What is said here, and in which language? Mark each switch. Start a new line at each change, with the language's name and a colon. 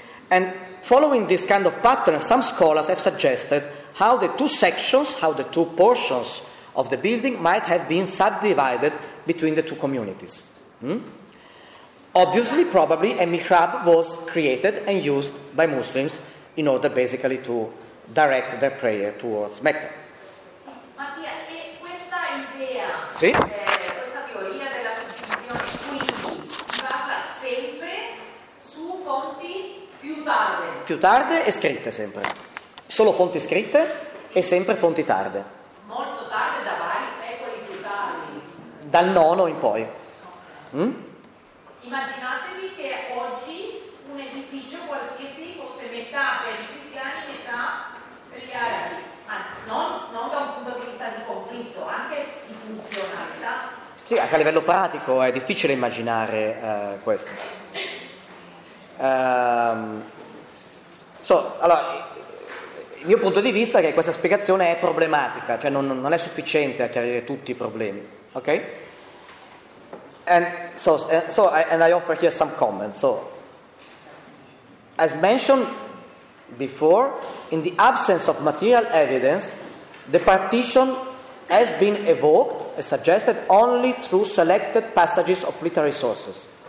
English: And following this kind of pattern, some scholars have suggested how the 2 sections, how the 2 portions of the building might have been subdivided between the 2 communities. Obviously, probably, a mihrab was created and used by Muslims in order basically to direct their prayer towards Mecca.
Italian: Mattia, e questa idea, sì? Questa teoria della suddivisione, quindi, si basa sempre su fonti più tarde? Più tarde e scritte sempre. Solo fonti scritte, sì. E sempre fonti tarde. Molto tarde, da vari secoli più tardi. Dal nono in poi. Immaginatevi che oggi un edificio qualsiasi fosse metà per i cristiani e metà per gli arabi, non da un punto di vista di conflitto, anche di funzionalità. Sì, anche a livello pratico è difficile immaginare questo. Allora, il mio punto di vista è che questa spiegazione è problematica, cioè non è sufficiente a chiarire tutti i problemi, ok?
English: And I offer here some comments. So, as mentioned before, in the absence of material evidence, the partition has been evoked and suggested only through selected passages of literary sources.